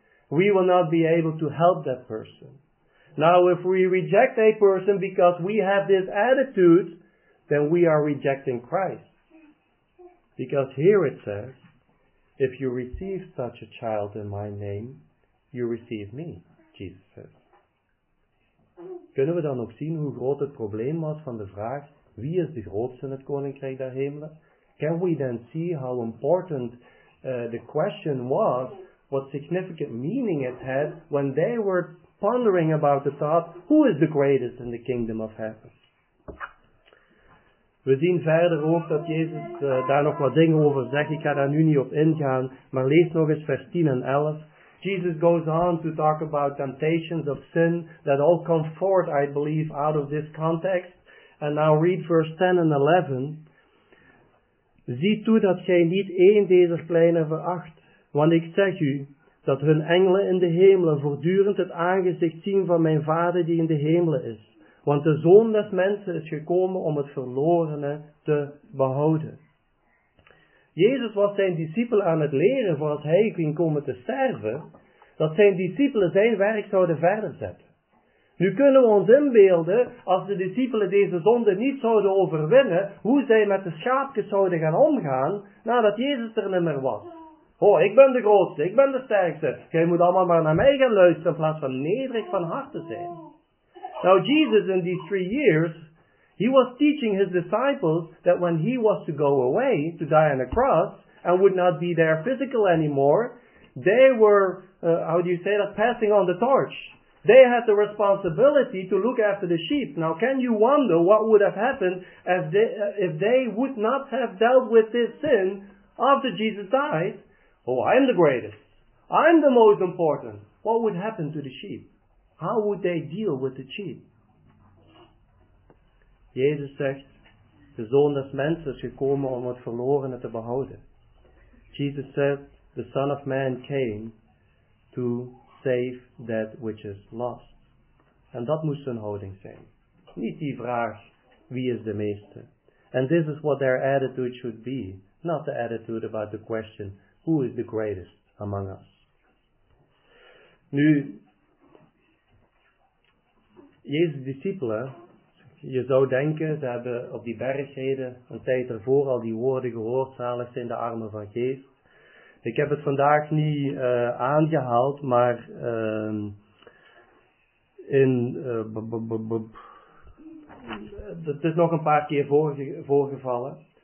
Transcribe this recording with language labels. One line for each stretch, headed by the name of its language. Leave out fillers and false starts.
English: We will not be able to help that person. Now, if we reject a person because we have this attitude, then we are rejecting Christ. Because here it says, if you receive such a child in my name, you receive me, Jesus says.
Dutch: Kunnen we dan ook zien hoe groot het probleem was van de vraag, wie is de grootste in het koninkrijk der hemelen?
English: Can we then see how important the question was, what significant meaning it had, when they were pondering about the thought, who is the greatest in the kingdom of heaven?
Dutch: We zien verder ook dat Jezus daar nog wat dingen over zegt, ik ga daar nu niet op ingaan, maar lees nog eens vers 10 en 11.
English: Jesus goes on to talk about temptations of sin that all come forth, I believe, out of this context. And now read verse 10 and 11.
Dutch: Zie toe dat gij niet één deze kleine veracht, want ik zeg u, dat hun engelen in de hemelen voortdurend het aangezicht zien van mijn Vader die in de hemelen is. Want de Zoon des mensen is gekomen om het verlorene te behouden. Jezus was zijn discipelen aan het leren voordat hij ging komen te sterven, dat zijn discipelen zijn werk zouden verder zetten. Nu kunnen we ons inbeelden, als de discipelen deze zonde niet zouden overwinnen, hoe zij met de schaapjes zouden gaan omgaan, nadat Jezus er niet meer was. Oh, ik ben de grootste, ik ben de sterkste. Jij moet allemaal maar naar mij gaan luisteren, in plaats van nederig van hart te zijn.
English: Now Jesus, in these 3 years, he was teaching his disciples that when he was to go away, to die on the cross, and would not be there physical anymore, they were, passing on the torch. They had the responsibility to look after the sheep. Now can you wonder what would have happened if they would not have dealt with this sin after Jesus died? Oh, I'm the greatest. I'm the most important. What would happen to the sheep? How would they deal with the sheep?
Dutch: Jezus zegt, de Zoon des mensen is gekomen om het verlorene te behouden.
English: Jesus said, the Son of Man came to save that which is lost.
Dutch: En dat moest hun houding zijn. Niet die vraag, wie is de meeste?
English: And this is what their attitude should be. Not the attitude about the question, who is the greatest among us?
Dutch: Nu, Jezus' discipelen, je zou denken, ze hebben op die bergreden een tijd ervoor al die woorden gehoord, zalig zijn de armen van geest. Ik heb het vandaag niet aangehaald, maar het is nog een paar keer voorgevallen.